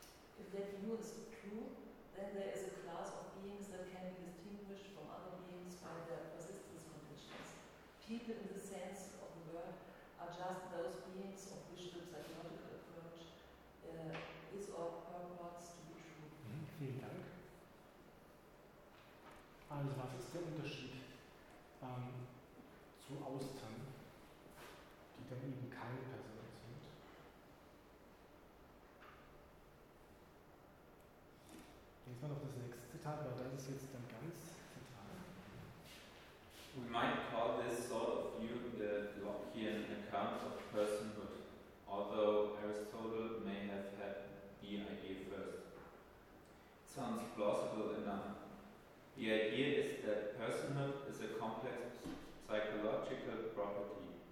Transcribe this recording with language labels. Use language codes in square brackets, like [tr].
[en] then there is a class of beings that can be distinguished from other beings by their persistence conditions. People in the sense of the word are just those beings of which the psychological approach is or purports to be true. [de] Mm-hmm. Vielen Dank. Also, was ist der Unterschied zu Austern, die dann eben keine Person sind? Jetzt mal noch das nächste Zitat, weil das ist jetzt dann ganz zentral. [en] We might call this sort of view the Lockean account of personhood, although Aristotle may have had the idea first. It sounds plausible enough. The idea is that personhood is a complex psychological property.